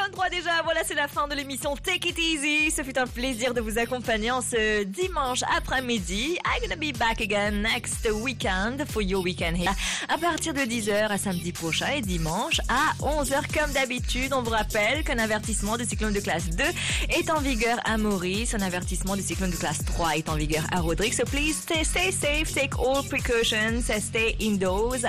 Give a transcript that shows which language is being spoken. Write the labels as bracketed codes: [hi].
[fr] Déjà, voilà, c'est la fin de l'émission Take It Easy. Ce fut un plaisir de vous accompagner en ce dimanche après-midi. [en] I'm gonna be back again next weekend for your weekend here. [fr] À partir de 10h à samedi prochain et dimanche à 11h comme d'habitude. On vous rappelle qu'un avertissement de cyclone de classe 2 est en vigueur à Maurice. Un avertissement de cyclone de classe 3 est en vigueur à Rodrigue. [en] So please stay safe, take all precautions, stay indoors.